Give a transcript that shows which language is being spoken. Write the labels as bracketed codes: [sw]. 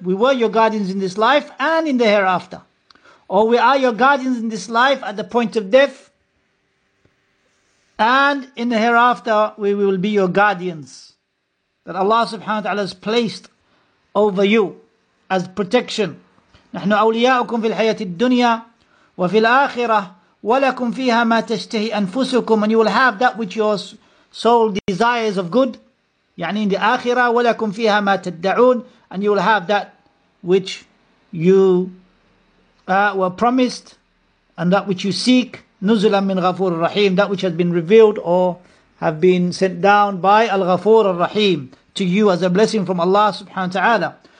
[en] We were your guardians in this life and in the hereafter. Or we are your guardians in this life at the point of death. And in the hereafter, we will be your guardians. That Allah subhanahu wa ta'ala has placed over you as protection. [ar] نحن أولياؤكم في الحياة الدنيا وفي الآخرة ولكم فيها ما تشتهي أنفسكم. [en] And you will have that which your soul desires of good. [ar] يعني [en] in the [ar] آخرة ولكم فيها ما تدعون. [en] And you will have that which you were promised and that which you seek. [ar] نزلا من غفور الرحيم. [en] That which has been revealed or have been sent down by Al-Ghafoor Al-Rahim to you as a blessing from Allah subhanahu wa ta'ala.